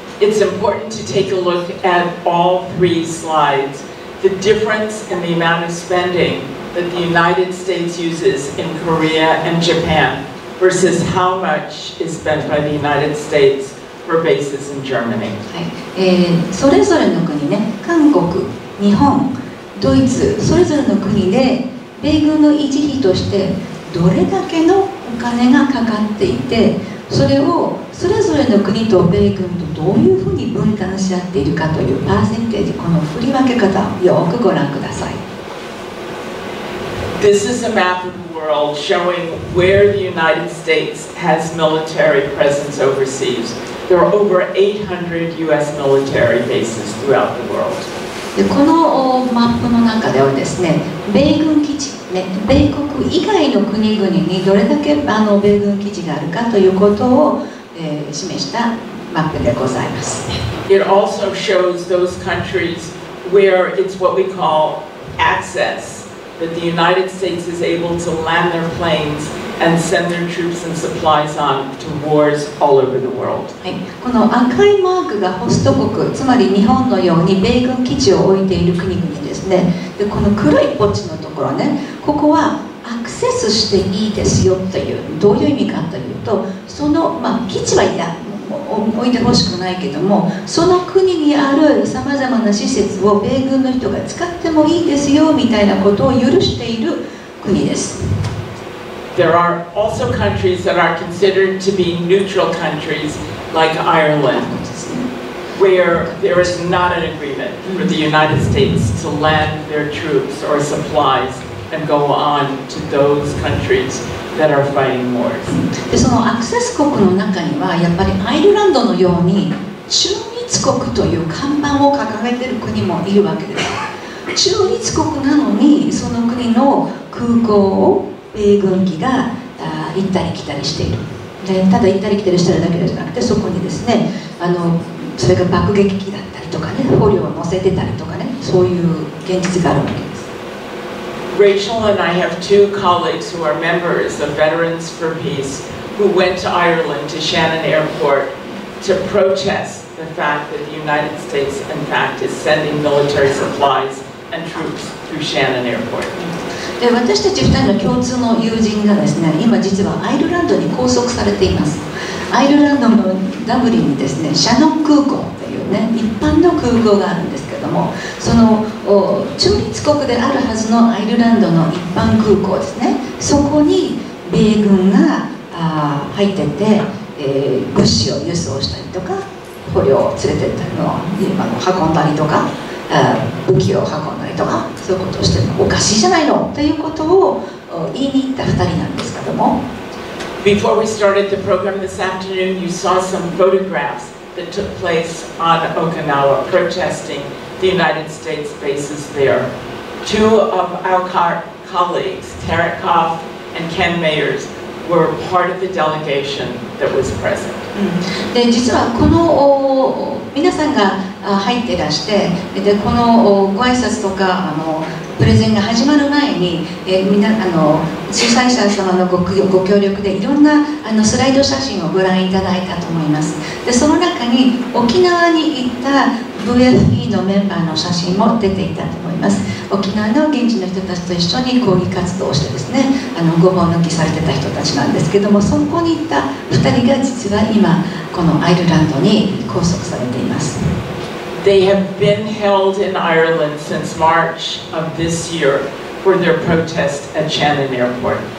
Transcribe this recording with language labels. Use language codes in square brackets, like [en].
[en] It's important to take a look at all three slides. The difference in the amount of spending that the United States uses in Korea and Japan versus how much is spent by the United States for bases in Germany. [ja] はい、それぞれの国ね、韓国、日本、ドイツ、それぞれの国で米軍の維持費としてどれだけのお金がかかっていて、それをそれぞれの国と米軍とどういうふうに分担し合っているかというパーセンテージ、この振り分け方、よくご覧ください。 [en] This is a map of the world showing where the United States has military presence overseas. There are over 800 US military bases throughout the world. [ja] でこのマップの中ではですね、米軍基地、ね、米国以外の国々にどれだけ米軍基地があるかということを、示したマップでございます。 [en] It also shows those countries where it's what we call access, that the United States is able to land their planes and send their troops and supplies on to wars all over the world. [ja] はい、この赤いマークがホスト国、つまり日本のように米軍基地を置いている国々ですね。で、この黒いポチのところね、ここはアクセスしていいですよという、どういう意味かというと、その、基地はいや、置いてほしくないけども、その国にあるさまざまな施設を米軍の人が使ってもいいですよみたいなことを許している国です。 [en] There are also countries that are considered to be neutral countries, like Ireland, where there is not an agreement for the United States to land their troops or supplies and go on to those countries that are fighting wars. [ja] で、そのアクセス国の中にはやっぱりアイルランドのように中立国という看板を掲げている国もいるわけです。中立国なのにその国の空港を米軍機が行ったり来たりしている。で、ただ行ったり来たりしてるだけじゃなくて、そこにですね、それが爆撃機だったりとかね、捕虜を乗せてたりとかね、そういう現実があるわけです。 [en] Rachel and I have two colleagues who are members of Veterans for Peace who went to Ireland to Shannon Airport to protest the fact that the United States in fact is sending military supplies and troops through Shannon Airport. [ja] で、私たち2人の共通の友人がですね、今実はアイルランドに拘束されています。アイルランドのダブリンにですね、シャノン空港っていうね、一般の空港があるんですけど、ども、その中立国であるはずのアイルランドの一般空港ですね、そこに米軍が入ってて、物資を輸送したりとか、捕虜を連れてったりの、運んだりとか、武器を運んだりとか、そういうことをしてるのおかしいじゃないのということを言いに行った2人なんですけども。 [en] Before we started the program this afternoon, you saw some photographs that took place on Okinawa protesting the United States bases there. Two of our colleagues, Tarikoff and Ken Mayers, were part of the delegation that was present. [ja] で、実はこの皆さんが入ってらして、で、このご挨拶とかプレゼンが始まる前に、みんな主催者様の ご協力でいろんなスライド写真をご覧いただいたと思います。で、その中に沖縄に行った VFE のメンバーの写真も出ていたと思います。沖縄の現地の人たちと一緒に抗議活動をしてですね、ごぼう抜きされてた人たちなんですけども、そこに行った2人が実は今、このアイルランドに拘束されています。 [en] They have been held in Ireland since March of this year for their protest at Shannon Airport.